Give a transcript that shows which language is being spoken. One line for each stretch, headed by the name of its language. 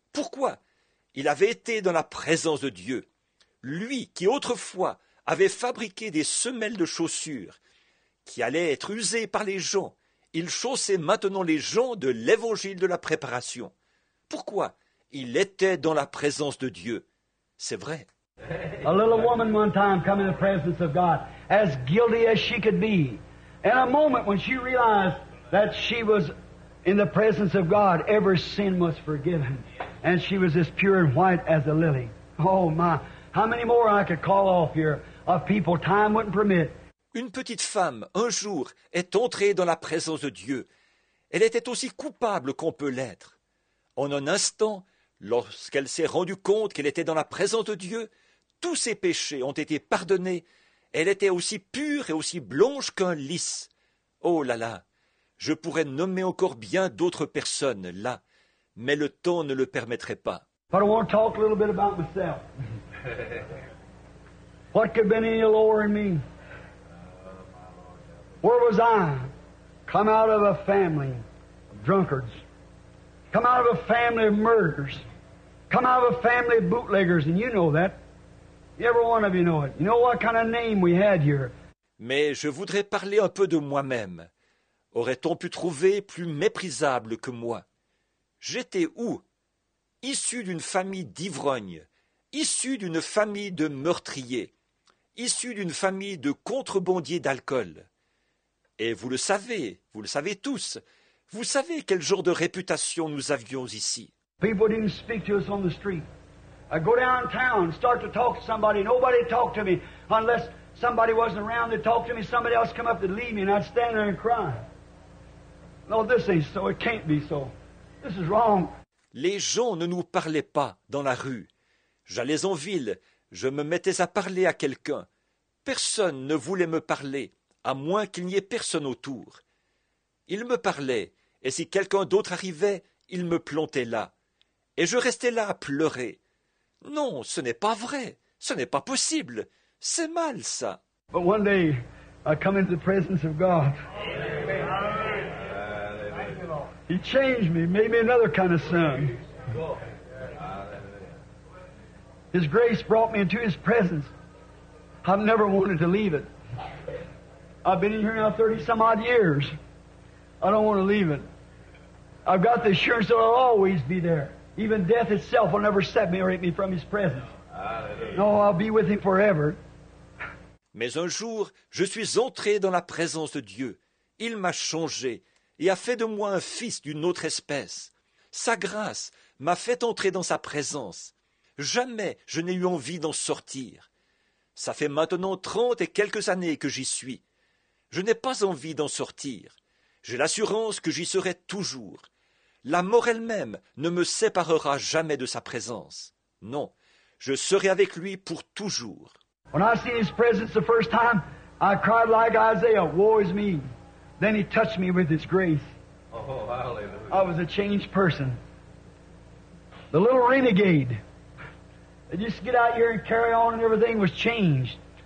French: Pourquoi ? Il avait été dans la présence de Dieu. Lui qui autrefois avait fabriqué des semelles de chaussures, qui allait être usé par les gens, il chaussait maintenant les gens de l'évangile de la préparation. Pourquoi? Il était dans la présence de Dieu. C'est vrai.
English: A little woman one time came in the presence of God, as guilty as she could be. In a moment when she realized that she was in the presence of God, every sin was forgiven. And she was as pure and white as a lily. Oh my, how many more I could call off here of people time wouldn't permit.
French: Une petite femme, un jour, est entrée dans la présence de Dieu. Elle était aussi coupable qu'on peut l'être. En un instant, lorsqu'elle s'est rendue compte qu'elle était dans la présence de Dieu, tous ses péchés ont été pardonnés. Elle était aussi pure et aussi blanche qu'un lys. Oh là là, je pourrais nommer encore bien d'autres personnes là. Mais le temps ne le permettrait pas.
English: But I want to talk a little bit about myself. What could have been any lower in me? Where was I? Come out of a family of drunkards. Come out of a family of murderers. Come out of a family of bootleggers. And you know that. Every one of you know it. You know what kind of name we had here.
French: Mais je voudrais parler un peu de moi-même. Aurait-on pu trouver plus méprisable que moi? J'étais où? Issu d'une famille d'ivrognes, issu d'une famille de meurtriers, issu d'une famille de contrebandiers d'alcool. Et vous le savez tous, vous savez quel genre de réputation nous avions ici.
English: People didn't speak to us on the street. I go downtown, start to talk to somebody, nobody talked to me, unless somebody wasn't around to talk to me, somebody else come up to leave me and I'd stand there and cry. No, this ain't so, it can't be so. This is wrong.
French: Les gens ne nous parlaient pas dans la rue. J'allais en ville, je me mettais à parler à quelqu'un. Personne ne voulait me parler, à moins qu'il n'y ait personne autour. Ils me parlaient, et si quelqu'un d'autre arrivait, ils me plantaient là. Et je restais là à pleurer. Non, ce n'est pas vrai, ce n'est pas possible, c'est mal ça.
English: But one day, I come into the presence of God. He changed me, made me another kind of son. His grace brought me into His presence. I've never wanted to leave it. I've been in here now 30-some-odd years. I don't want to leave it. I've got the assurance that I'll always be there. Even death itself will never separate me from His presence. No, I'll be with Him forever.
French: Mais un jour, je suis entré dans la présence de Dieu. Il m'a changé. Et a fait de moi un fils d'une autre espèce. Sa grâce m'a fait entrer dans sa présence. Jamais je n'ai eu envie d'en sortir. Ça fait maintenant 30 et quelques années que j'y suis. Je n'ai pas envie d'en sortir. J'ai l'assurance que j'y serai toujours. La mort elle-même ne me séparera jamais de sa présence. Non, je serai avec lui pour toujours.
English: When I seen his presence the first time, I cried like Isaiah, woe is me. Then he touched me with his grace. Oh, hallelujah. I was a changed person. The little renegade that used to get out here and carry on and everything was changed.